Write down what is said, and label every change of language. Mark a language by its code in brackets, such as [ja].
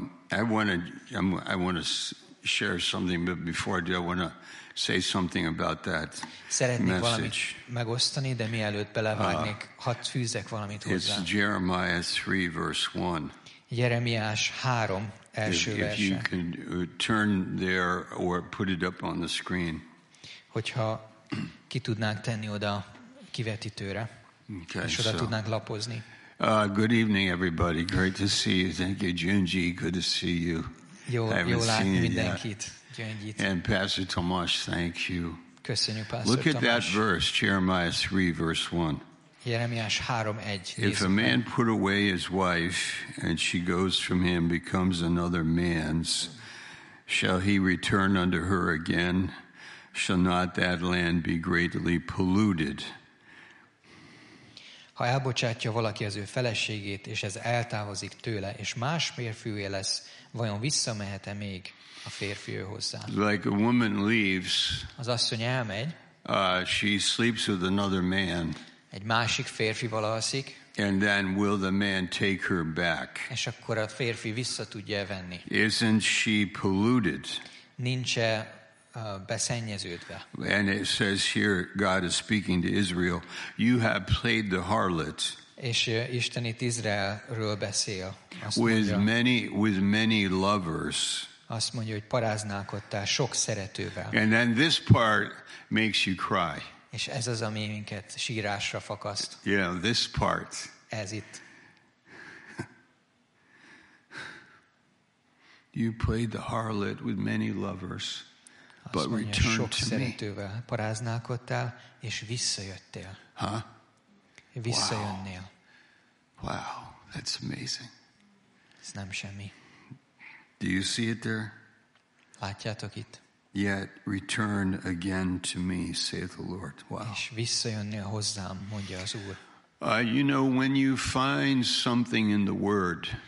[en] I want to share something, but before I do, I want to say something about that [hu] szeretnék [en] message. [hu] Valamit megosztani, de mielőtt belevágnék, hadd fűzzek valamit hozzá. [en] It's Jeremiah 3, verse 1. [hu] Jeremiás 3, első [en] verse. If you can turn there or put it up on the screen. [hu] Hogyha ki tudnánk tenni oda kivetítőre, [en] okay, [hu] és oda tudnánk lapozni. [en] Good evening, everybody. Great to see you. Thank you, Junji. Good to see you. [hu] Jó, [en] I haven't [hu] jó látni seen mindenkit, Junjit. [en] And Pastor Tomás, thank you. [hu] Köszönjük, Pastor [en] Look at [hu] Tomás. [en] That verse, Jeremiah 3, verse 1. [hu] Jeremiás 3:1. [en] If a man put away his wife, and she goes from him, becomes another man's, shall he return unto her again? Shall not that land be greatly polluted? [hu] Ha elbocsátja valaki az ő feleségét, és ez eltávozik tőle, és más férfűvé lesz, vajon visszamehet-e még a férfi hozzá? [en] Like a woman leaves, [hu] az asszony elmegy, [en] she sleeps with another man, [hu] egy másik férfival alszik, [en] and then will the man take her back? [hu] És akkor a férfi vissza tudja venni. [en] Isn't she polluted? [hu] Nincs-e beszennyeződve. [en] And it says here, God is speaking to Israel. You have played the harlot. [hu] És Isten itt Izraelről beszél. [en] With many lovers. [hu] Azt mondja, hogy paráználkodtál sok szeretővel. [en] And then this part makes you cry. [hu] És ez az, ami minket sírásra fakaszt. [en] Yeah, this part. [hu] Ez itt. [en] You played the harlot with many lovers. But return [hu] sok szeretővel paráználkodtál, és visszajöttél. [en] Huh? [hu] Visszajönnél. [en] Wow, that's amazing. [hu] Ez nem semmi. [en] Do you see it there? [hu] Látjátok itt? [en] Yet return again to me, saith the Lord. Wow. [hu] És visszajönnél hozzám, mondja az Úr. [en] You know, when you find something in the Word,